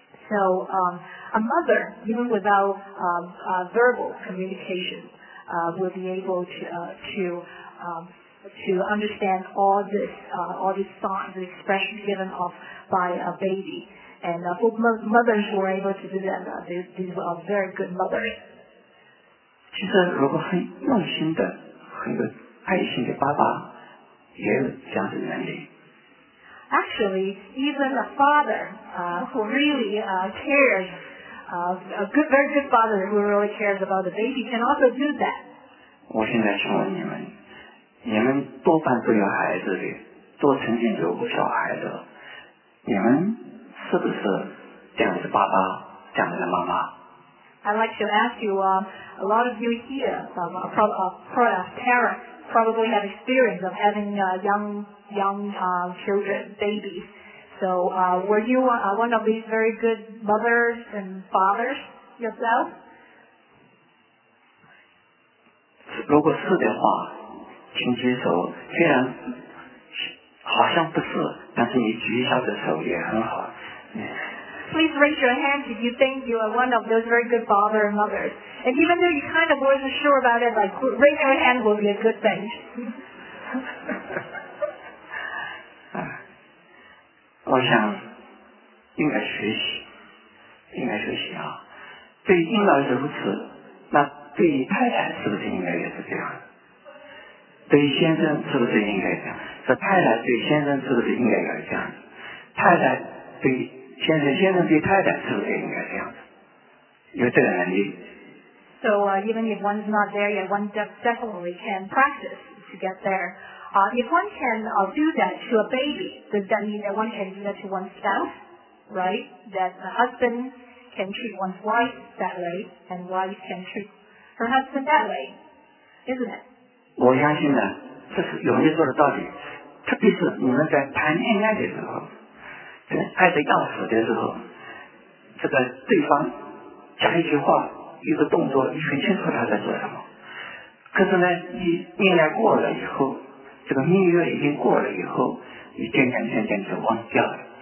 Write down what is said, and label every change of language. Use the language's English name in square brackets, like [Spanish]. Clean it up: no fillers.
[English] So a mother, even without verbal communication, will be able to understand all this, all these signs, the expression given off by a baby. And for mothers who are able to do that, these are very good mothers. [Chinese] 其实如果很用心的，很有爱心的爸爸也有这样的能力。 [English] actually, even a father who really cares, a good, very good father who really cares about the baby can also do that. [Chinese] 我现在请问你们，你们多半都有孩子的，都曾经有过小孩的，你们是不是这样的爸爸，这样的妈妈？ [English] I'd like to ask you, a lot of you here, parents, probably have experience of having young children, babies. So, were you one of these very good mothers and fathers yourself? [Chinese] 如果是的话，请举手。虽然好像不是，但是你举一下的手也很好。 [English] Please raise your hand if you think you are one of those very good father and mothers. And even though you kind of wasn't sure about it, like, raise your hand will be a good thing. [Chinese] 我想应该学习，应该学习啊。对婴儿如此，那对太太是不是应该也是这样？对先生是不是应该这样？这太太对先生是不是应该也是这样？太太对先生，先生对太太是不是应该这样子？有这个能力。 [English] So, even if one's not there yet, one definitely can practice to get there. If one can do that to a baby, does that mean that one can do that to oneself, right? That the husband can treat one's wife that way, and wife can treat her husband that way, isn't it? [Chinese] 我相信呢，这是容易做的道理，特别是你们在谈恋爱的时候。爱得要死的时候，这个对方讲一句话，一个动作，你很清楚他在做什么。可是呢，你恋爱过了以后，这个蜜月已经过了以后，你渐渐就忘掉了。